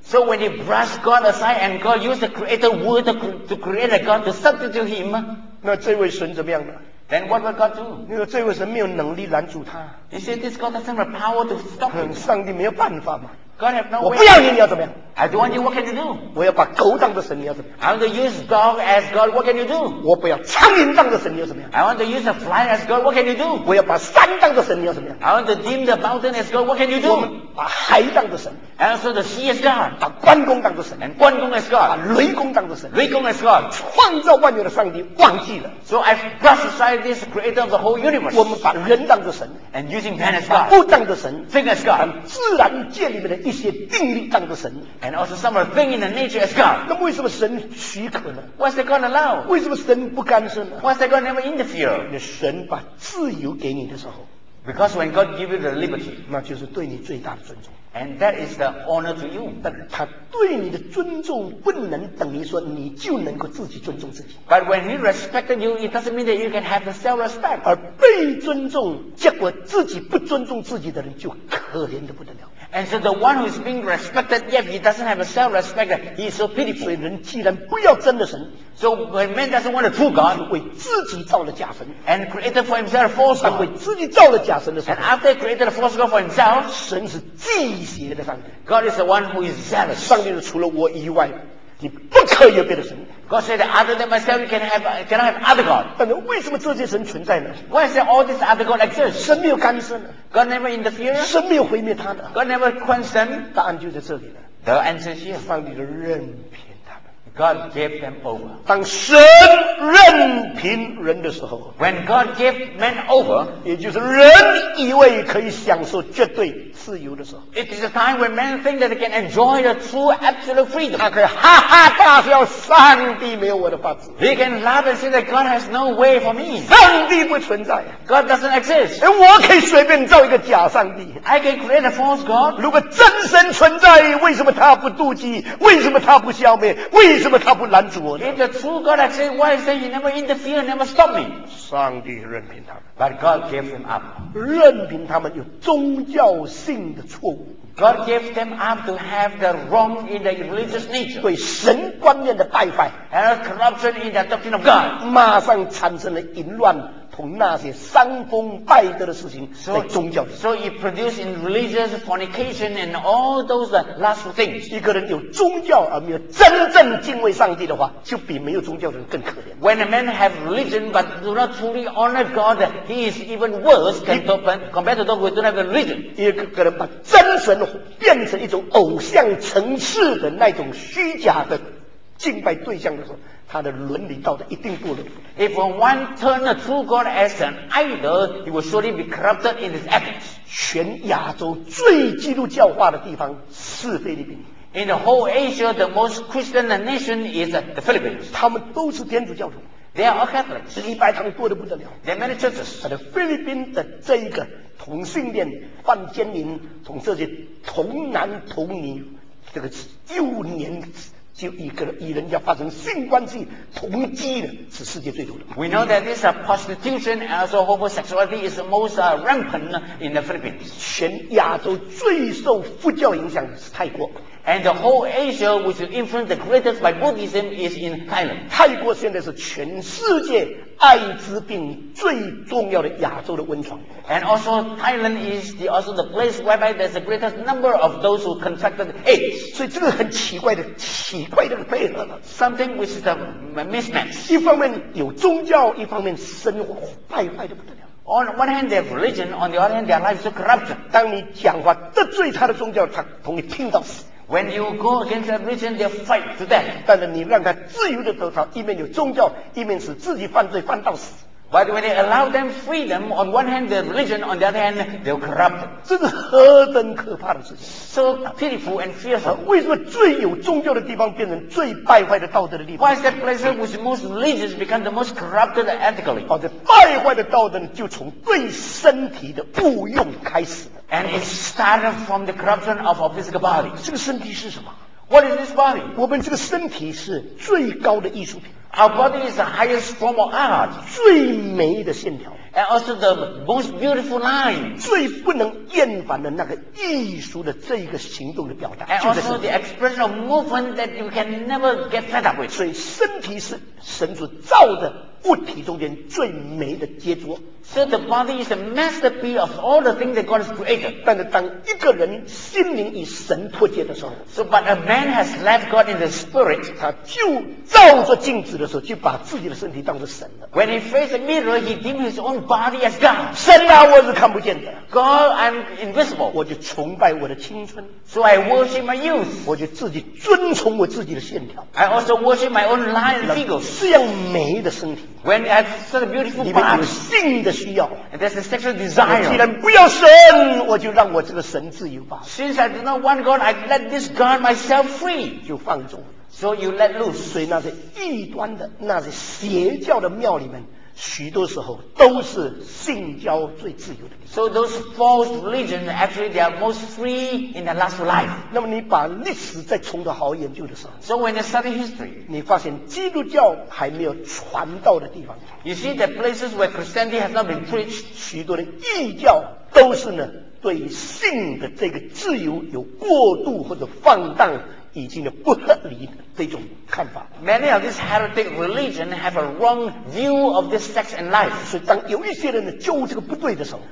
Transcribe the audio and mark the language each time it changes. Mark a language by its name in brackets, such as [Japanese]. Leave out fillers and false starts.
[English] So when he brush God aside and God used the creator word to create a God to substitute him [Chinese] 那这位神怎么样呢 [English] Then what will God do? [Chinese] 因为这位神没有能力拦住他 [English] You see this God doesn't have power to stop him [Chinese] 上帝没有办法嘛 [English] God have no way [Chinese] 我不要你你要怎么样 [English] I don't want you what can you do? [Chinese] 我要把狗当的神你要怎么样 [English] I want to use dog as God what can you do? [Chinese] 我不要苍蝇当的神你要怎么样 [English] I want to use a fly as God what can you do? [Chinese] 我要把山当的神你要怎么样 [English] I want to dim the mountain as God what can you do? [Chinese] 把海当作神 [English] And also the sea as God [Chinese] 把关公当作神 [English] And 关公 as God [Chinese] 把雷公当作神 [English] 雷公 as God [Chinese] 创造万有的上帝忘记了 [English] So I've brushed aside this creator of the whole universe [Chinese] 我们把人当作神 [English] And using man as God [Chinese] 把物当作神 [English] Thing as God [Chinese] 自然界里面的一些定律当作神 [English] And also some thing in the nature as God [Chinese] 那为什么神许可呢 [English] What's that God allow? [Chinese] 为什么神不干涉呢 [English] What's that God never interfere? [Chinese] 那神把自由给你的时候 [English] Because when God gives you the liberty, [Chinese] 那就是对你最大的尊重。 [English] And that is the honor to you. [Chinese] 但他对你的尊重不能等于说你就能够自己尊重自己。 [English] But when he respected you, it doesn't mean that you can have the self-respect. [Chinese] 而被尊重，结果自己不尊重自己的人就可怜得不得了。 [English] And so the one who is being respected, yet he doesn't have a self-respect, he is so pitiful. [Chinese] 所以人既然不要真的神 [English] So when man doesn't want a true God, [Chinese] 为自己造了假神 [English] And created for himself a false God. [Chinese] 为自己造了假神的时候 [English] And after he created a false God for himself, [Chinese] 神是忌邪的上帝 [English] God is the one who is zealous. [Chinese] 上帝是除了我以外你不可以有别的神 [English] God said that other than myself you cannot have other God [Chinese] 但是为什么这些神存在呢 [English] Why is all this other God exist [Chinese] 神没有干涉呢 [English] God never interfere [Chinese] 神没有毁灭他的 [English] God never quench them [Chinese] 答案就在这里了 [English] The answer is here [Chinese] 上帝就任凭他们 [English] God gave them over. [Chinese] 当神任凭人的时候， [English] When God gave men over， [Chinese] 也就是人以为可以享受绝对自由的时候， [English] It is a time when men think that they can enjoy the true absolute freedom。 [Chinese] 他可以哈哈大笑，上帝没有我的法子。 [English] They can laugh and say that God has no way for me。 [Chinese] 上帝不存在， [English] God doesn't exist。 [Chinese] 我可以随便造一个假上帝， [English] I can create a false God。 [Chinese] 如果真神存在，为什么他不妒忌？为什么他不消灭？为什么他不拦阻我？ [English] If the true God has said, why is that he never interfere, never stop me? [Chinese] 上帝任凭他们。 [English] But God gave them up. [Chinese] 任凭他们有宗教性的错误。 [English] God gave them up to have the wrong in the religious nature. [Chinese] 对神观念的败坏。 [English] And corruption in the doctrine of God. [Chinese] 马上产生了淫乱，从那些伤风败德的事情在宗教里。 [English] So it produced in religious fornication and all those lustful things. [Chinese] 一个人有宗教而没有真正敬畏上帝的话，就比没有宗教的人更可怜。 [English] When a man has religion but do not truly honor God, he is even worse compared to those who do not have religion. [Chinese] 一个人把真神变成一种偶像城市的那种虚假的敬拜对象的时候，他的伦理道德一定不伦。 [English] If one turns a true God as an idol, he will surely be corrupted in his ethics. [Chinese] 全亚洲最基督教化的地方是菲律宾。 [English] In the whole Asia, the most Christian nation is the Philippines. [Chinese] 他们都是天主教徒。 [English] They are all Catholics. [Chinese] 礼拜堂多得不得了。 [English] There are many churches. [Chinese] 在菲律宾的这一个同性恋犯奸淫，从这些同男同女这个幼年。就一个与人家发生性关系同居的，是世界最多的。 [English] We know that this prostitution and also homosexuality is the most rampant in the Philippines. [Chinese] 全亚洲最受佛教影响是泰国。 [English] And the whole Asia which is influenced the greatest by Buddhism is in Thailand. [Chinese] 泰国现在是全世界艾滋病最重要的亚洲的温床。 [English] And also Thailand is also the place whereby there's the greatest number of those who contracted AIDS. [Chinese] 所以这个很奇怪的配合。 [English] Something which is a mismatch. [Chinese] 一方面有宗教，一方面生活败坏的不得了。 [English] On one hand, they have religion. On the other hand, their lives are corrupted. [Chinese] 当你讲话得罪他的宗教，他同你拼到死。 [English] When you go against that religion, they fight to death. [Chinese] 但是你让他自由的得到，一面有宗教，一面是自己犯罪犯到死。 [English] But when they allow them freedom, on one hand their religion, on the other hand they're corrupt. [Chinese] 这是何等可怕的事情！ [English] So pitiful and fearful. [Chinese] 为什么最有宗教的地方变成最败坏的道德的地方？ [English] Why is that place with most religions become the most corrupted ethically? [Chinese] 好的，败坏的道德就从对身体的误用开始。 [English] And it started from the corruption of our physical body. [Chinese] 这个身体是什么？ [English] What is this body? [Chinese] 我们这个身体是最高的艺术品。 [English] Our body is the highest form of art. [Chinese] 最美的线条。 [English] And also the most beautiful line. [Chinese] 最不能厌烦的那个艺术的这一个行动的表达。 [English] And also the expression of movement that you can never get fed up with. [Chinese] 所以身体是神所造的物体中间最美的杰作。 [English] So the body is the masterpiece of all the things that God has created. [Chinese] 但是当一个人心灵与神脱节的时候， [English] So but a man has left God in the spirit. [Chinese] 他就照着镜子的时候，就把自己的身体当作神了。 [English] When he faced the mirror, he deemed his own body as God. [Chinese] 神啊，我是看不见的。 [English] God, I'm invisible. [Chinese] 我就崇拜我的青春。 [English] So I worship my youth. [Chinese] 我就自己遵从我自己的线条。 [English] I also worship my own line and figure. [Chinese] 这样美的身体。 [English] When I have such a beautiful body, [Chinese] 里面有性的需要。 [English] And there's a sexual desire. [Chinese] 既然不要神，我就让我这个神自由吧。 [English] Since I do not want God, I let this God myself free. [Chinese] 就放纵。 [English] So you let loose. [Chinese] 所以那些异端的、那些邪教的庙里面，许多时候都是性交最自由的。 [English] So those false religions actually they are most free in the last life. [Chinese] 那么你把历史再重头好研究的时候， [English] So when you study history, [Chinese] 你发现基督教还没有传到的地方， [English] You see the places where Christianity has not been preached. [Chinese] 许多的异教都是呢对性的这个自由有过度或者放荡，已经的不合理的这种看法。 [English] Many of these heretic religions have a wrong view of this sex and life. [Chinese] 所以当有一些人呢，就这个不对的时候，